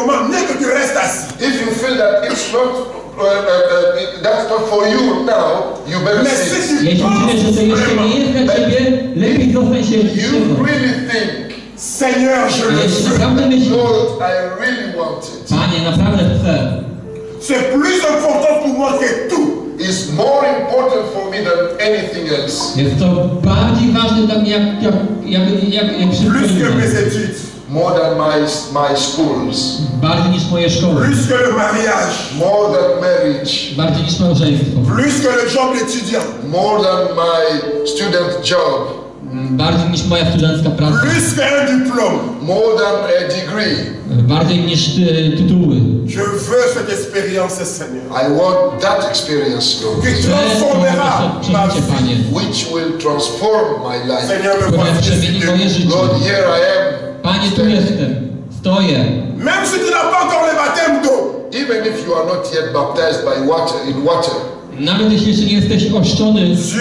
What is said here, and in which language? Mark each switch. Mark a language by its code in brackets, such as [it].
[en] If you feel that it's not that's not for you now, you better sit. [pl] Jeśli myślisz, że to jeszcze nie jest dla ciebie, lepiej trochę się siedź. [en] You really think. [fr] Seigneur, je le veux. C'est plus important pour moi que tout. [en] It's more important for me than anything else. [pl] Jest to bardziej ważne dla mnie jak [fr] plus que mes études. [en] More than my schools. [pl] Bardziej niż moje szkoły. [fr] Plus que le mariage. [en] More than marriage. [pl] Bardziej niż małżeństwo. [fr] Plus que le job étudiant. [en] More than my student job. [pl] Bardziej niż moja studencka praca. [en] More than a degree. [pl] Bardziej niż tytuły. [fr] Je veux cette expérience, Seigneur. [en] I want that experience, Lord. Which [fr] transformera [en] my life. Which will transform my life. [fr] Seigneur, [en] Lord, here I am. [pl] Panie, tu jestem. Stoję. [fr] Même si tu n'as pas encore le baptême d'eau. [en] Even if you are not yet baptized by water, in water. [pl] Nawet jeśli jeszcze nie jesteś ochrzczony,